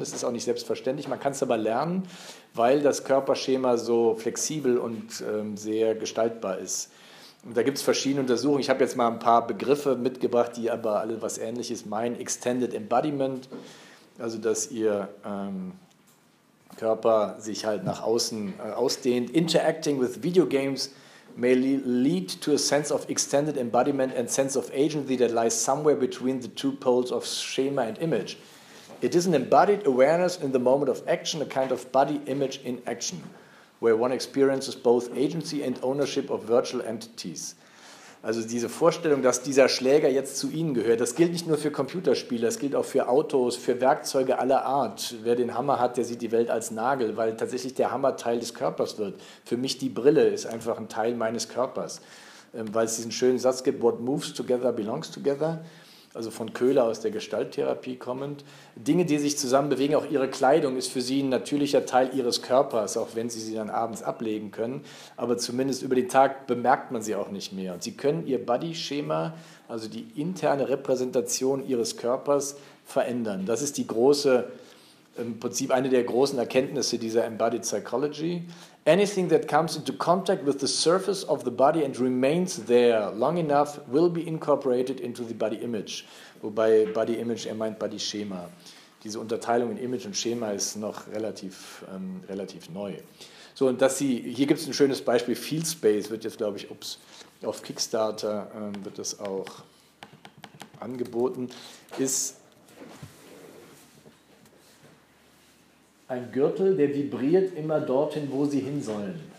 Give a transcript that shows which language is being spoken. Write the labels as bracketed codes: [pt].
[de] Das ist auch nicht selbstverständlich. Man kann es aber lernen, weil das Körperschema so flexibel und sehr gestaltbar ist. Und da gibt es verschiedene Untersuchungen. Ich habe jetzt mal ein paar Begriffe mitgebracht, die aber alle was Ähnliches meinen. Extended Embodiment, also dass Ihr Körper sich halt nach außen ausdehnt. [en] Interacting with video games may lead to a sense of extended embodiment and sense of agency that lies somewhere between the two poles of schema and image. It is an embodied awareness in the moment of action, a kind of body image in action, where one experiences both agency and ownership of virtual entities. [de] Also diese Vorstellung, dass dieser Schläger jetzt zu Ihnen gehört, das gilt nicht nur für Computerspiele, das gilt auch für Autos, für Werkzeuge aller Art. Wer den Hammer hat, der sieht die Welt als Nagel, weil tatsächlich der Hammer Teil des Körpers wird. Für mich die Brille ist einfach ein Teil meines Körpers, weil es diesen schönen Satz gibt, [en] what moves together belongs together. [de] Also von Köhler aus der Gestalttherapie kommend. Dinge, die sich zusammen bewegen, auch ihre Kleidung ist für sie ein natürlicher Teil ihres Körpers, auch wenn sie sie dann abends ablegen können. Aber zumindest über den Tag bemerkt man sie auch nicht mehr. Und sie können ihr Body-Schema, also die interne Repräsentation ihres Körpers, verändern. Das ist die große, im Prinzip eine der großen Erkenntnisse dieser Embodied Psychology. [en] Anything that comes into contact with the surface of the body and remains there long enough will be incorporated into the body image. [de] Wobei body image, er meint body schema. Diese Unterteilung in Image und Schema ist noch relativ, relativ neu. So, und dass Sie, hier gibt es ein schönes Beispiel, Field Space wird jetzt, glaube ich, auf Kickstarter wird das auch angeboten, ist ein Gürtel, der vibriert immer dorthin, wo Sie hin sollen.